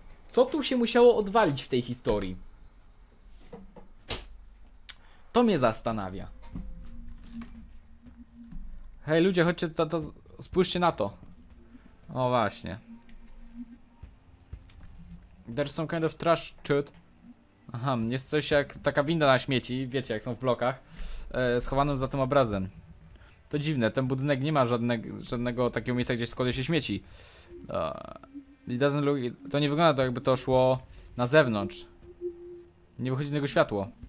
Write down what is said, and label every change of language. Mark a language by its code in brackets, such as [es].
[pl] Co tu się musiało odwalić w tej historii? To mnie zastanawia. Hej ludzie, chodźcie, to spójrzcie na to. O właśnie. [en] There's some kind of trash chute. [pl] Aha, jest coś jak taka winda na śmieci, wiecie, jak są w blokach, schowanym za tym obrazem. To dziwne, ten budynek nie ma żadnego takiego miejsca, gdzie składa się śmieci. [en] It doesn't look, [pl] to nie wygląda tak, jakby to szło na zewnątrz. Nie wychodzi z niego światło.